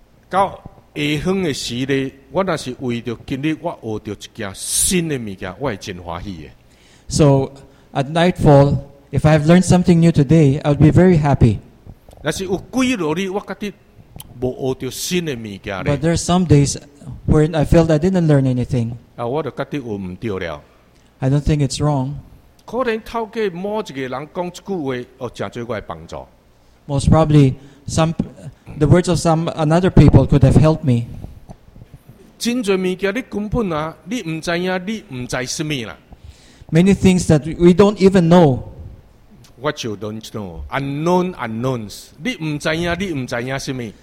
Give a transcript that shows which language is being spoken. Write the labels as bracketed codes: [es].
[nan] 到下昏的时咧，我那是为着今日我学到一件新的物件，我会真欢喜的。 [en] So at nightfall, if I have learned something new today, I would be very happy. [nan] 那是有几落日我觉得无学到新的物件咧。 [en] But there are some days when I felt I didn't learn anything. [nan] 啊，我就觉得我唔对了。 [en] I don't think it's wrong. [nan] 可能透过某一个人讲一句话，哦，真侪我会帮助。 [en] Most probably, the words of some another people could have helped me. [nan] 真侪物件，你根本啊，你唔知影，你唔知什么啦。 [en] Many things that we don't even know. [nan] 我就 [en] don't know. Unknown unknowns. [nan] 你唔知呀，你唔知呀，什么